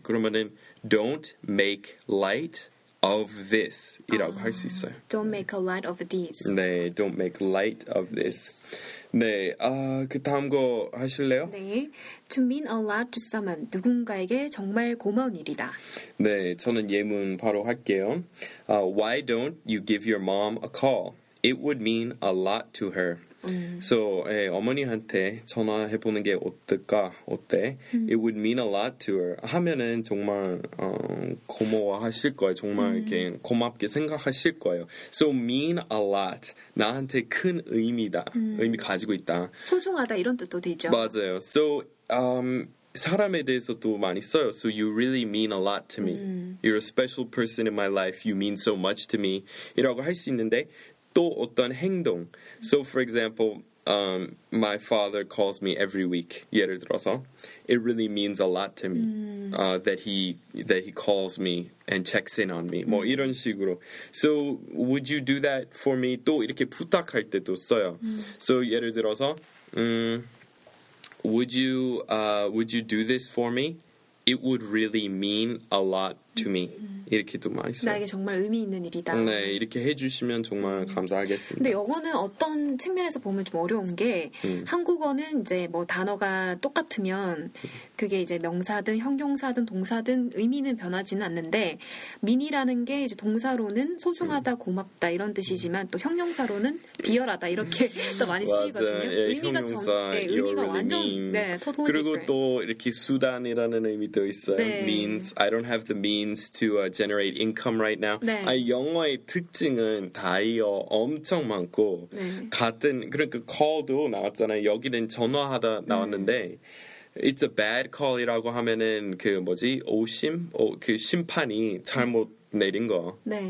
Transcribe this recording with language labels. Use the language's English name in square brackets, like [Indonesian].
[Korean] 그러면은 [English] don't make light of this [Korean] 이라고 할 수 있어요. [English] Don't make a light of this. [Korean] 네, [English] don't make light of this. [Korean] 네, 그 다음 거 하실래요? [English] 네, to mean a lot to someone, [Korean] 누군가에게 정말 고마운 일이다. 네, 저는 예문 바로 할게요. [English] Why don't you give your mom a call? It would mean a lot to her. So, [Korean] 어머니한테 전화해보는 게 어떨까? 어때? [English] It would mean a lot to her. [Korean] 하면은 정말 고마워하실 거예요. 정말 이렇게 고맙게 생각하실 거예요. [English] So, mean a lot. [Korean] 나한테 큰 의미다. 의미 가지고 있다. 소중하다 이런 뜻도 되죠. 맞아요. [English] So, [Korean] 사람에 대해서도 많이 써요. [English] So you really mean a lot to me. You're a special person in my life. You mean so much to me. [Korean] 이라고 할 수 있는데 또 어떤 행동. [English] So for example, my father calls me every week. [Korean] 예를 들어서, [English] it really means a lot to me that he calls me and checks in on me. [Korean] 뭐 이런 식으로. [English] So would you do that for me? [Korean] 또 이렇게 부탁할 때도 써요. [English] So [Korean] 예를 들어서, [English] would you do this for me? It would really mean a lot to me. [Korean] 이렇게도 많이 써요. 나에게 정말 의미 있는 일이다. 네, 이렇게 해주시면 정말 감사하겠습니다. 근데 이거는 어떤 측면에서 보면 좀 어려운 게 한국어는 이제 뭐 단어가 똑같으면 그게 이제 명사든 형용사든 동사든 의미는 변하지는 않는데 mean이라는 게 이제 동사로는 소중하다, 고맙다 이런 뜻이지만 또 형용사로는 비열하다 이렇게 또 많이 쓰이거든요. 예, 형용사, 의미가 완전 mean. 네, [English] totally [Korean] 그리고 [English] different. [Korean] 또 이렇게 수단이라는 의미도 있어요. 네. [English] Means I don't have the means to generate income right now. [Korean] 네. 영어의 특징은 다이어 엄청 많고 네. 같은 그러니까 call도 나왔잖아요. 여기는 전화하다 나왔는데 [English] it's a bad call [Korean] 이라고 하면은 그 뭐지 오심 그 심판이 잘못 내린 거 그 네.